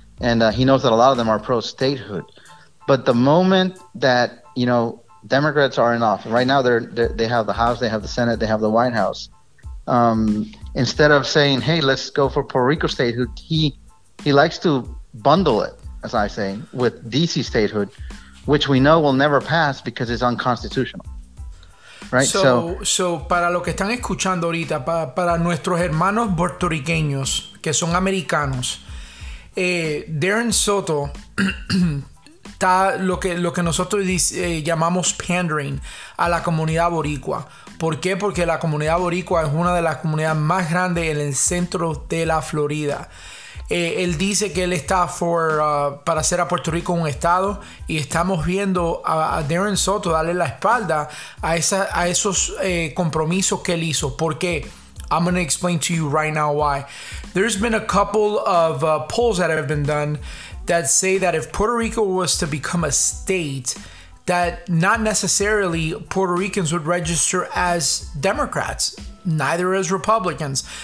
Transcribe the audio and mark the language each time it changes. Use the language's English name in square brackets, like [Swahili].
[English] And he knows that a lot of them are pro-statehood. But the moment that, you know, Democrats are in office, right now they have the House, they have the Senate, they have the White House. Instead of saying, hey, let's go for Puerto Rico statehood, he likes to bundle it, as I say, with DC statehood, which we know will never pass because it's unconstitutional. Right. So [Spanish] para lo que están escuchando ahorita, para nuestros hermanos puertorriqueños que son americanos, Darren Soto está lo que nosotros llamamos pandering a la comunidad boricua. ¿Por qué? Porque la comunidad boricua es una de las comunidades más grandes en el centro de la Florida. Él dice que él está para hacer a Puerto Rico un estado, y estamos viendo a Darren Soto darle la espalda a esos compromisos que él hizo. ¿Por qué? [English] I'm going to explain to you right now why. There's been a couple of polls that have been done that say that if Puerto Rico was to become a state, that not necessarily Puerto Ricans would register as Democrats, neither as Republicans.